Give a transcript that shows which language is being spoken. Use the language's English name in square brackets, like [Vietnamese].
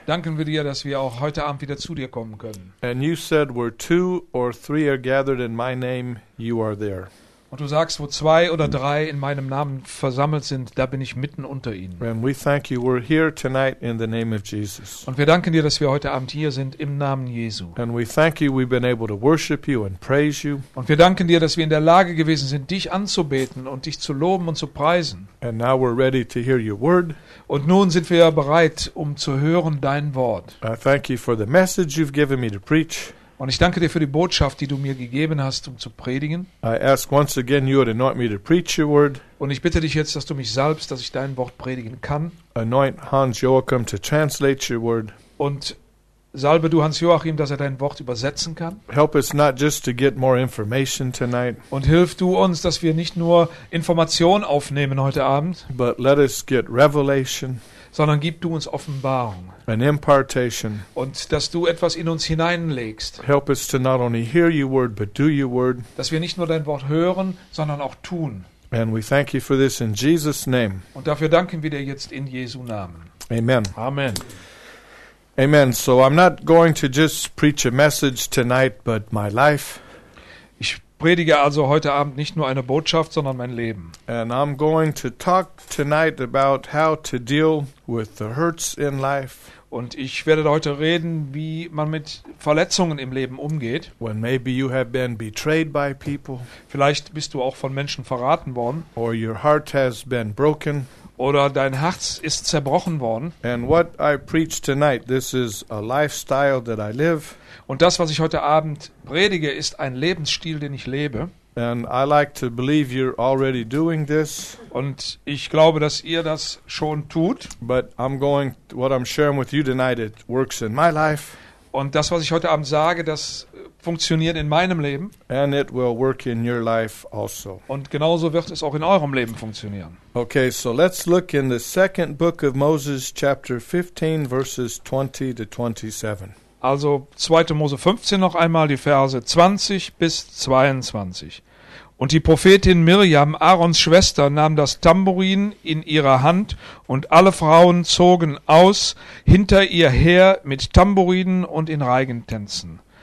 [German] Danken wir dir, dass wir auch heute Abend wieder zu dir kommen können. [English] And you said, where two or three are gathered in my name, you are there. [German] Und du sagst, wo zwei oder drei in meinem Namen versammelt sind, da bin ich mitten unter ihnen. [English] And we thank you, we're here tonight in the name of Jesus. [German] Und wir danken dir, dass wir heute Abend hier sind im Namen Jesu. [English] And we thank you, we've been able to worship you and praise you. [German] Und wir danken dir, dass wir in der Lage gewesen sind, dich anzubeten und dich zu loben und zu preisen. [English] And now we're ready to hear your word. [German] Und nun sind wir bereit, um zu hören dein Wort. [English] I thank you for the message you've given me to preach. [German] Und ich danke dir für die Botschaft, die du mir gegeben hast, um zu predigen. [English] I ask once again, you would anoint me to preach your word. [German] Und ich bitte dich jetzt, dass du mich salbst, dass ich dein Wort predigen kann. [English] Anoint Hans Joachim to translate your word. [German] Und salbe du Hans Joachim, dass er dein Wort übersetzen kann. [English] Help us not just to get more information tonight. [German] Und hilf du uns, dass wir nicht nur Information aufnehmen heute Abend, [English] but let us get revelation. [German] Sondern gib du uns Offenbarung. [English] An impartation. [German] Und dass du etwas in uns hineinlegst. [English] Help us to not only hear your word, but do your word. [German] Dass wir nicht nur dein Wort hören, sondern auch tun. [English] And we thank you for this in Jesus' name. [German] Und dafür danken wir dir jetzt in Jesu Namen. [English] Amen. [German] Amen. Amen. [English] So I'm not going to just preach a message tonight, but my life. [German] Ich predige also heute Abend nicht nur eine Botschaft, sondern mein Leben. [English] And I'm going to talk tonight about how to deal with the hurts in life. [German] Und ich werde heute reden, wie man mit Verletzungen im Leben umgeht. [English] When maybe you have been betrayed by people. [German] Vielleicht bist du auch von Menschen verraten worden. [English] Or your heart has been broken. [German] Oder dein Herz ist zerbrochen worden. [English] And what I preach tonight, this is a lifestyle that I live. [German] Und das, was ich heute Abend predige, ist ein Lebensstil, den ich lebe. [English] And I like to believe you're already doing this. [German] Und ich glaube, dass ihr das schon tut. [English] But what I'm sharing with you tonight, it works in my life. [German] Und das, was ich heute Abend sage, das funktioniert in meinem Leben. [English] And it will work in your life also. [German] Und genauso wird es auch in eurem Leben funktionieren. [English] Okay, so let's look in the second book of Moses, chapter 15, verses 20 to 27. [German] Also 2. Mose 15 noch einmal, die Verse 20 bis 22. Und die Prophetin Miriam, Aarons Schwester, nahm das Tamburin in ihrer Hand und alle Frauen zogen aus, hinter ihr her mit Tamburinen und in Reigentänzen.